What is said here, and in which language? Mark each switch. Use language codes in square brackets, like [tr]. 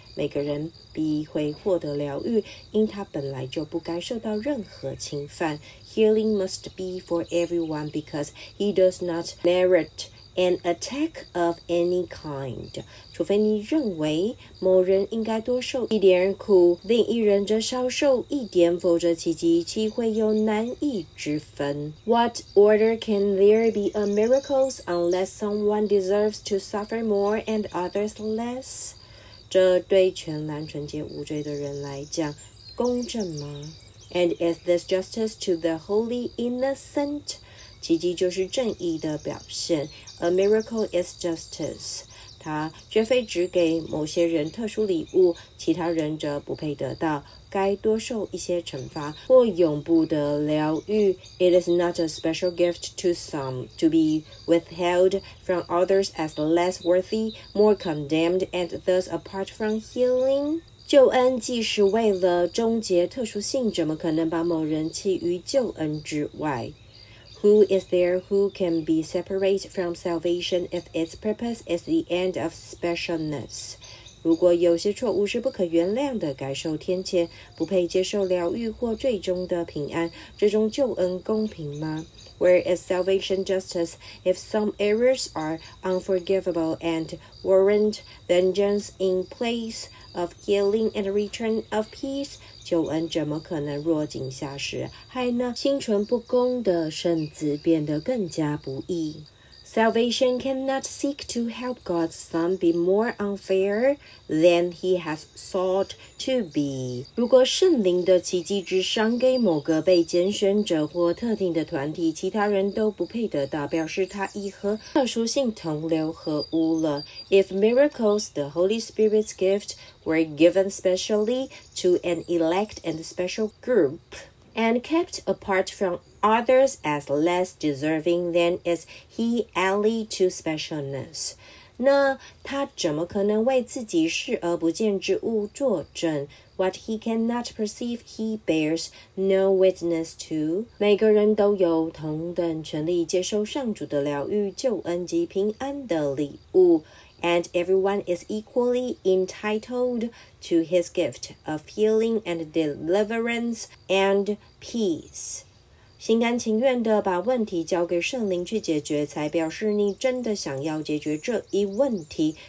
[zh] 每个人必会获得疗愈，因他本来就不该受到任何侵犯。 [en] Healing must be for everyone because he does not merit an attack of any kind. [zh] 除非你认为某人应该多受一点苦，另一人则少受一点，否则奇迹岂会有难易之分。 [en] What order can there be of miracles unless someone deserves to suffer more and others less? [zh] 这对全然纯洁无罪的人来讲，公正吗？ [en] And is this justice to the holy innocent? [zh] 奇迹就是正义的表现。 [en] A miracle is justice. [zh] 它绝非只给某些人特殊礼物，其他人则不配得到，该多受一些惩罚或永不得疗愈。 [en] It is not a special gift to some to be withheld from others as less worthy, more condemned, and thus apart from healing. [zh] 救恩既是为了终结特殊性，怎么可能把某人弃于救恩之外？ [en] Who is there who can be separate from salvation if its purpose is the end of specialness? [zh] 如果有些错误是不可原谅的，该受天谴，不配接受疗愈或最终的平安，最终救恩公平吗？ [en] Where is salvation justice if some errors are unforgivable and warrant vengeance in place of healing and return of peace? [zh] 救恩怎么可能落井下石，害那心存不公的圣子变得更加不义？ [en] Salvation cannot seek to help God's son be more unfair than he has sought to be. [zh] 如果圣灵的奇迹之伤给某个被拣选者或特定的团体，其他人都不配得到，表示他已和特殊性同流合污了。 [en] If miracles, the Holy Spirit's gift, were given specially to an elect and special group and kept apart from others as less deserving, then is he allied to specialness? [zh] 那他怎么可能为自己视而不见之物作证？ [en] What he cannot perceive, he bears no witness to. [zh] 每个人都有同等权利接受上主的疗愈、救恩及平安的礼物。 [en] And everyone is equally entitled to his gift of healing and deliverance and peace. [zh] 心甘情愿地把问题交给圣灵去解决，才表示你真的想要解决这一问题。